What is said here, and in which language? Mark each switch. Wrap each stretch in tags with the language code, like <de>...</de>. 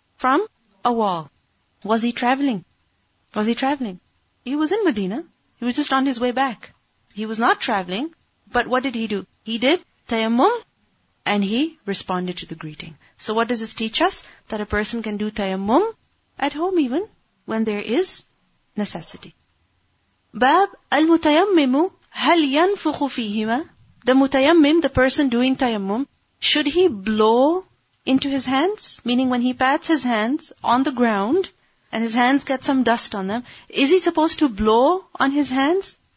<en>From a wall. Was he traveling? Was he traveling? He was in Medina. He was just on his way back. He was not traveling. But what did he do? He did tayammum and he responded to the greeting. So what does this teach us? That a person can do tayammum at home even when there is necessity.</en> <ar>باب المتيمم هل ينفخ فيهما.</ar> <en>The mutayammim, the person doing tayammum, should he blow into his hands? Meaning when he pats his hands on the ground and his hands get some dust on them, is he supposed to blow on his hands?</en>